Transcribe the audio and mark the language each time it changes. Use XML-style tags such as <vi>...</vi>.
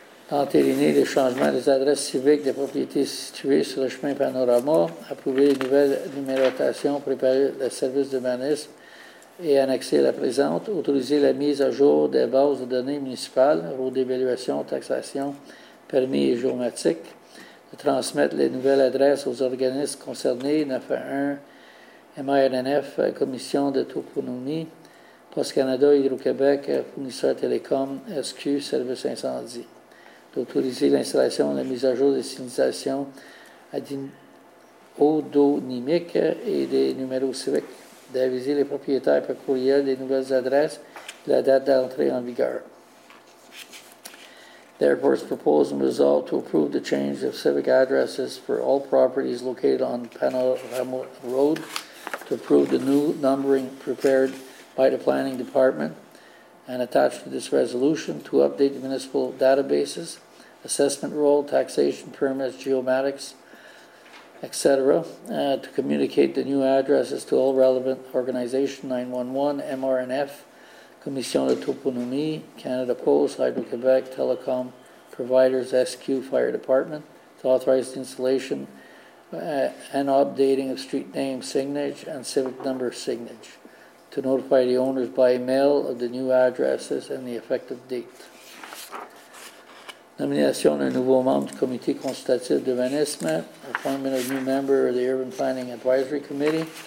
<fr>Entériner les changements des adresses civiques des propriétés situées sur le chemin Panorama, approuver les nouvelles numérotations, préparer le service d'urbanisme et annexer la présente, autoriser la mise à jour des bases de données municipales, rôle d'évaluation, taxation, permis et géomatique, de transmettre les nouvelles adresses aux organismes concernés, 91, MRNF, Commission de toponymie, Poste Canada, Hydro-Québec, Fournisseur Télécom, SQ, Service Incendie. D'autoriser l'installation et la mise à jour des signalisations odonymiques et des numéros civiques, d'aviser les propriétaires par courriel des nouvelles adresses et la date d'entrée en vigueur.</fr> <en>Therefore, it's proposed and resolved to approve the change of civic addresses for all properties located on Panorama Road, to approve the new numbering prepared by the Planning Department and attached to this resolution, to update the municipal databases, assessment role, taxation permits, geomatics, etc., to communicate the new addresses to all relevant organizations, 911, MRNF, Commission de toponymie, Canada Post, Hydro-Québec, Telecom Providers, SQ, Fire Department, to authorize the installation and updating of street name signage and civic number signage, to notify the owners by mail of the new addresses and the effective date.</en> <fr>Nomination d'un nouveau membre du comité consultatif d'urbanisme.</fr> <en>Appointment of new member of the Urban Planning Advisory Committee.</en>